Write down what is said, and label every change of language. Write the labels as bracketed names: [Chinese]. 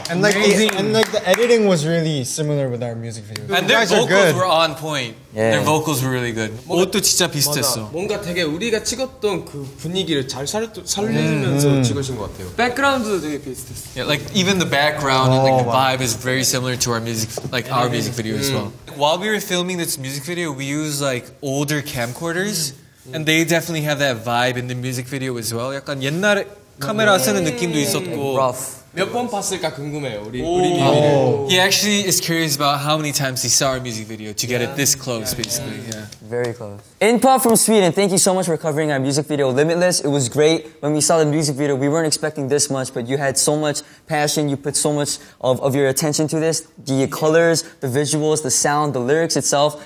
[English] And like the editing was really similar with our music video. And their vocals were on point. Yeah. Their vocals were really good. [Korean] 옷도 진짜 비슷했어. 뭔가 되게 우리가 찍었던 그 분위기를 잘 살리면서 찍으신 것 같아요. 백그라운드도 되게 비슷했어. [English] Yeah, like even the background and like the vibe is very similar to our music, like our music video as well. While we were filming this music video, we used like older camcorders. And they definitely have that vibe in the music video as well. [Korean] 약간 옛날 카메라 쓰는 느낌도 있었고. [English] Rough. [Korean] 몇 번 봤을까 궁금해요. 우리 비밀. [English] He actually is curious about how many times he saw our music video to get it this close, basically. Yeah. Very close. Input from Sweden. Thank you so much for covering our music video, Limitless. It was great. When we saw the music video, we weren't expecting this much, but you had so much passion. You put so much of your attention to this. The colors, the visuals, the sound, the lyrics itself.